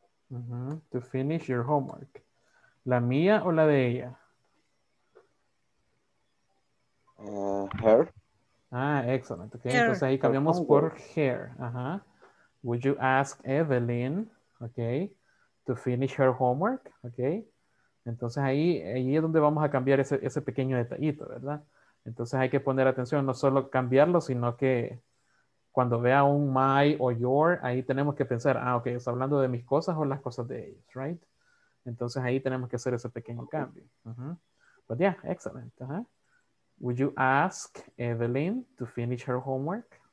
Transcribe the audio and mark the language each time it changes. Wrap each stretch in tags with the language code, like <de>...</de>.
<en>To finish your homework.</en> <es>¿La mía o la de ella?</es> <en>Her. Ah, excellent. Okay, her.</en> <es>Entonces ahí cambiamos her por her.</es> <en>Would you ask Evelyn, okay, to finish her homework? Okay.</en> <es>Entonces ahí es donde vamos a cambiar ese pequeño detallito, ¿verdad? Entonces hay que poner atención, no solo cambiarlo, sino que cuando vea un my o your, ahí tenemos que pensar, ah, ok, está hablando de mis cosas o las cosas de ellos, right? Entonces ahí tenemos que hacer ese pequeño cambio.</es> <en>But yeah, excellent. Would you ask Evelyn to finish her homework?</en>